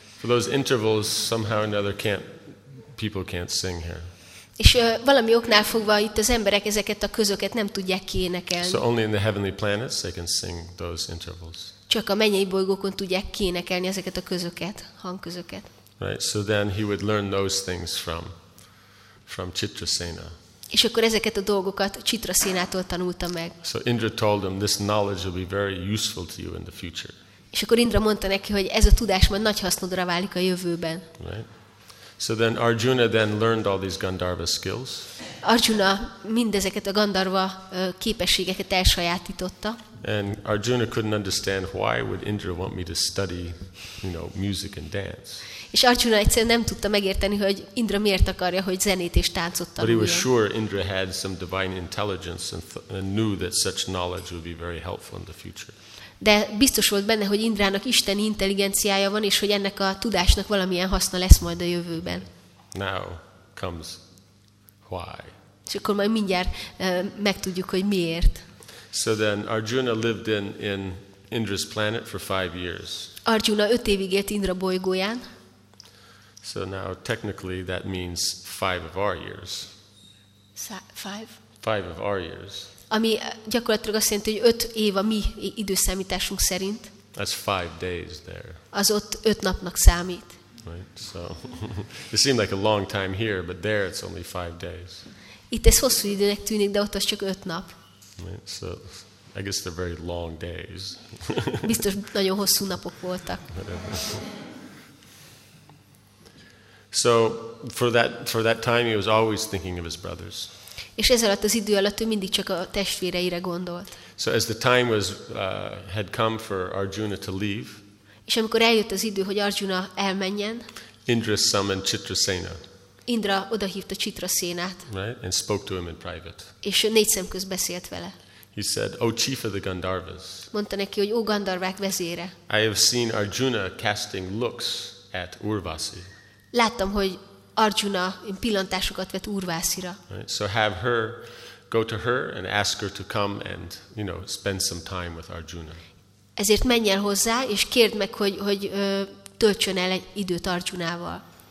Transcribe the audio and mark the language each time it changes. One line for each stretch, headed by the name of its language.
English: For those intervals somehow or another people can't sing here.
Hungarian: És valami oknál fogva itt az emberek ezeket a közöket nem tudják kiénekelni.
English: So only in the heavenly planets they can sing those intervals.
Hungarian: Csak a mennyei bolygókon tudják kiénekelni ezeket a közöket, hangközöket.
English: Right, so then he would learn those things from Chitrasena.
Hungarian: És akkor ezeket a dolgokat Chitrasenától tanulta meg.
English: So Indra told him this knowledge will be very useful to you in the future.
Hungarian: És akkor Indra mondta neki, hogy ez a tudás majd nagy hasznodra válik a jövőben.
English: Right. So then Arjuna then learned all these Gandharva skills.
Hungarian: Arjuna mindezeket a Gandharva képességeket elsajátította.
English: And Arjuna couldn't understand why would Indra want me to study, you know, music and dance.
Hungarian: És Arjuna egyszerűen nem tudta megérteni, hogy Indra miért akarja, hogy zenét és táncot tanuljon.
English: But he was sure Indra had some divine intelligence and knew that such knowledge would be very helpful in the future.
Hungarian: De biztos volt benne, hogy Indrának isteni intelligenciája van, és hogy ennek a tudásnak valamilyen haszna lesz majd a jövőben.
English: Now comes why.
Hungarian: És akkor majd mindjárt megtudjuk, hogy miért.
English: So then Arjuna lived in Indra's planet for 5 years.
Hungarian: Arjuna 5 évig élt Indra bolygóján.
English: So now technically that means 5 of our years. 5 of our years.
Hungarian: Ami gyakorlatilag azt jelenti, hogy 5 év a mi időszámításunk szerint.
English: That's 5 days there.
Hungarian: Az ott 5 napnak számít.
English: Right. So it seemed like a long time here, but there it's only 5 days.
Hungarian: Itt ez hosszú időnek tűnik, de ott az csak 5 nap.
English: Right. So I guess they're very long days.
Hungarian: Biztos nagyon hosszú napok voltak.
English: So for that time he was always thinking of his brothers.
Hungarian: És ez alatt az idő alatt ő mindig csak a testvéreire gondolt.
English: So as the time was had come for Arjuna to leave.
Hungarian: És amikor eljött az idő, hogy Arjuna elmenjen.
English: Indra summoned Chitrasena.
Hungarian: Indra odahívta Chitrasenát.
English: Right, and spoke to him in private.
Hungarian: És négy szem közt beszélt vele.
English: He said, "O chief of the Gandharvas."
Hungarian: Mondta neki, hogy ó Gandharvák vezére.
English: I have seen Arjuna casting looks at Urvasi.
Hungarian: Láttam, hogy Arjuna pillantásokat vett Urvászira.
English: Right, so have her go to her and ask her to come and, you know, spend some time with Arjuna.
Hungarian: Ezért menj el hozzá és kérd meg, hogy töltsön el egy időt Arjunával.